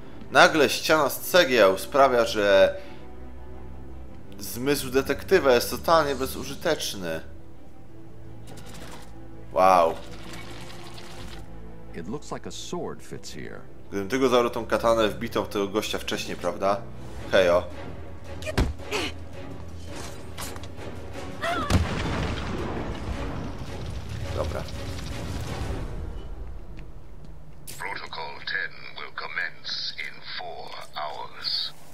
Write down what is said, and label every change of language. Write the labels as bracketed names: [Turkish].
[Polish] Nagle ściana z cegieł sprawia, że zmysł detektywa jest totalnie bezużyteczny. Wow. [English] It looks like a sword fits here. [Polish] Gdybym tylko zabrał tą katanę wbitą w tego gościa wcześniej, prawda? Hejo. Dobra. [English] Protocol 10 will commence in 4 hours.